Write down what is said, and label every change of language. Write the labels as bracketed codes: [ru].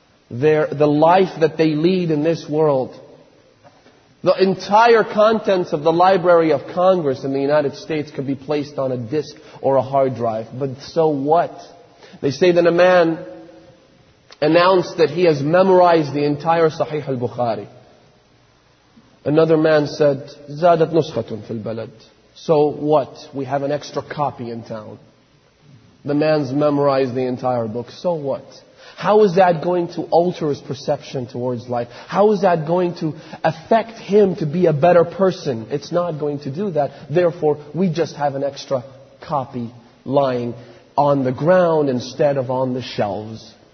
[en] The life that they lead in this world. The entire contents of the Library of Congress in the United States could be placed on a disk or a hard drive. But so what? They say that a man announced that he has memorized the entire Sahih al-Bukhari. Another man said, [ar] زَادَتْ نُسْخَةٌ فِي الْبَلَدِ. [en] So what? We have an extra copy in town. The man's memorized the entire book. So what? How is that going to alter his perception towards life? How is that going to affect him to be a better person? It's not going to do that. Therefore, we just have an extra copy lying on the ground instead of on the shelves.